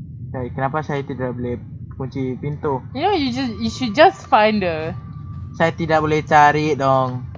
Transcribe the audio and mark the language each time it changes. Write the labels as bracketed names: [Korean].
[Malay] Hey, kenapa saya tidak boleh kunci pintu? [English] You know, you should just find her. [Malay] Saya tidak boleh cari dong.